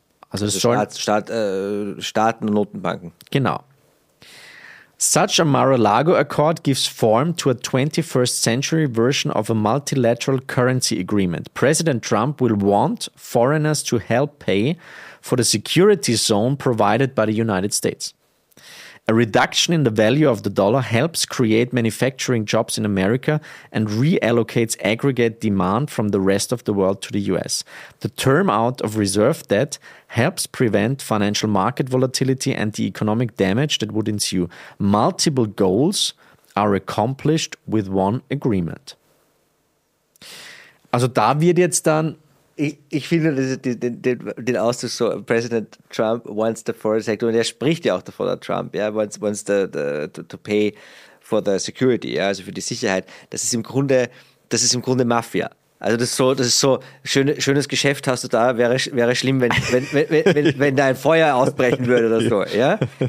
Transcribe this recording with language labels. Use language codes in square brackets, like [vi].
[de] Also Staaten und Notenbanken. Genau. [en] Such a Mar-a-Lago Accord gives form to a 21st century version of a multilateral currency agreement. President Trump will want foreigners to help pay for the security zone provided by the United States. A reduction in the value of the dollar helps create manufacturing jobs in America and reallocates aggregate demand from the rest of the world to the US. The term out of reserve debt helps prevent financial market volatility and the economic damage that would ensue. Multiple goals are accomplished with one agreement. [de] Also da wird jetzt dann... Ich finde den Ausdruck so, [en] President Trump wants the foreign sector, [de] und er spricht ja auch davon, der Trump, ja, [en] wants to pay for the security, [de] ja, also für die Sicherheit. Das ist im Grunde Mafia. Also das ist so schönes Geschäft hast du da, wäre schlimm, wenn da ein Feuer ausbrechen würde oder so, ja.